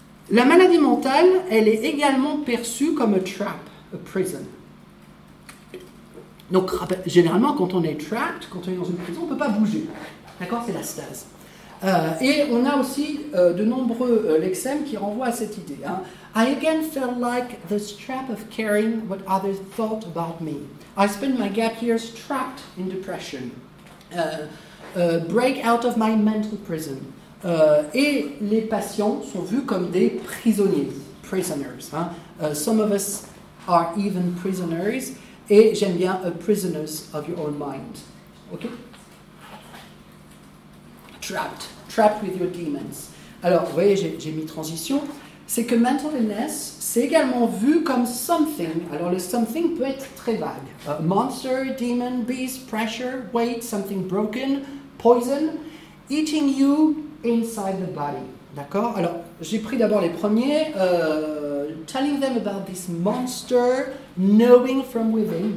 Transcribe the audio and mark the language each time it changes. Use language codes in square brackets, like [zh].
[fr] La maladie mentale, elle est également perçue comme [en] a trap, a prison. [fr] Donc, généralement, quand on est trapped, quand on est dans une prison, on ne peut pas bouger. D'accord ? C'est la stase. Et on a aussi de nombreux lexèmes qui renvoient à cette idée. [en] Hein. I again felt like the strap of caring what others thought about me. I spent my gap years trapped in depression. Break out of my mental prison. [fr] Et les patients sont vus comme des prisonniers. [en] Prisoners. Hein. Some of us are even prisoners. [fr] Et j'aime bien [en] a prisoners of your own mind. Ok? Trapped. Trapped with your demons. [fr] Alors, vous voyez, j'ai mis transition. C'est que mental illness, c'est également vu comme something. Alors, le something peut être très vague. [en] Monster, demon, beast, pressure, weight, something broken, poison, eating you inside the body. [fr] D'accord? Alors, j'ai pris d'abord les premiers. [en] Telling them about this monster, knowing from within.